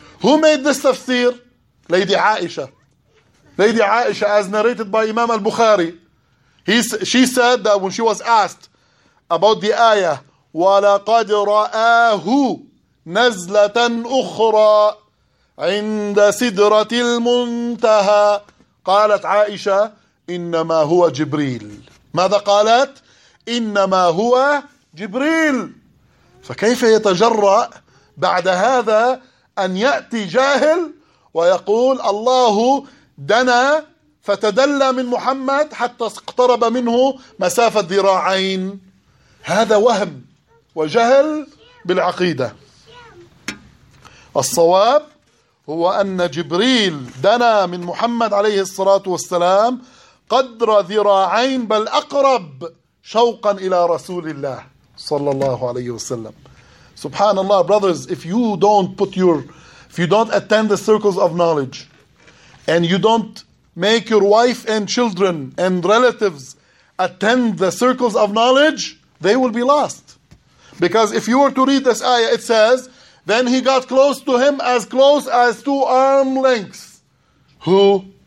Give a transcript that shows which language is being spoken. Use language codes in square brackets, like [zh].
[en] Who made this tafsir? Lady Aisha. Lady Aisha, as narrated by Imam al-Bukhari, she said that when she was asked about the ayah, [ar] وَلَقَدْ رَآهُ نَزْلَةً أُخْرَى عِنْدَ سِدْرَةِ الْمُنْتَهَى قَالَتْ عَائِشَةَ إِنَّمَا هُوَ جِبْرِيلُ. ماذا قالت؟ إِنَّمَا هُوَ جِبْرِيلُ. فكيف يتجرأ بعد هذا أن يأتي جاهل ويقول الله دنا فتدلى من محمد حتى اقترب منه مسافة ذراعين؟ هذا وهم وجهل بالعقيدة. الصواب هو أن جبريل دنا من محمد عليه الصلاة والسلام قدر ذراعين بل أقرب شوقا إلى رسول الله صلى الله عليه وسلم. سبحان الله. [en] Brothers, if you don't attend the circles of knowledge and you don't make your wife and children and relatives attend the circles of knowledge, they will be lost. Because if you were to read this ayah, it says, then he got close to him as close as two arm lengths. Who?